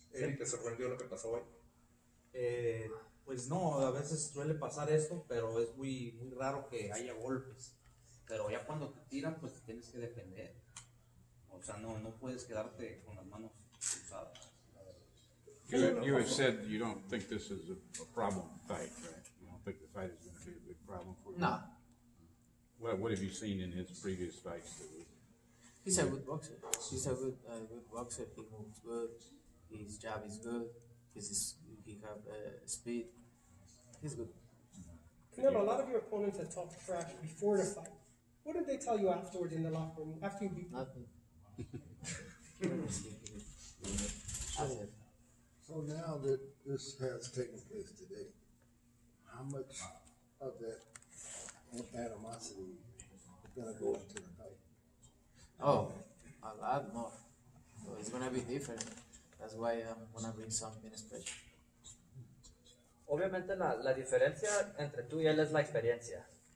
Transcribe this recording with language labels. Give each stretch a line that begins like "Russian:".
Spanish: ¿Eric, te sorprendió lo que pasó hoy? Pues no, a veces suele pasar esto, pero es muy, muy raro que haya golpes. Pero ya cuando te tiran, pues te tienes que defender. O sea, no puedes quedarte con las manos cruzadas.
English: You have said you don't think this is a problem fight, right? You don't think the fight is going to be a big problem for you? No. Well, what have you seen in his previous fights? He's a good boxer. He's a good good boxer. He moves good. His jab is good. He have speed. He's good. Canelo, a lot of your opponents had talked trash before the fight. What did they tell you afterwards in the locker room after you beat them? Nothing. So now that this has taken place today, how much of that animosity is going to go into the fight? Oh, a lot more. So it's going to be different. That's why I'm going to bring something special.
Spanish: Obviamente la diferencia entre tú y él es la experiencia.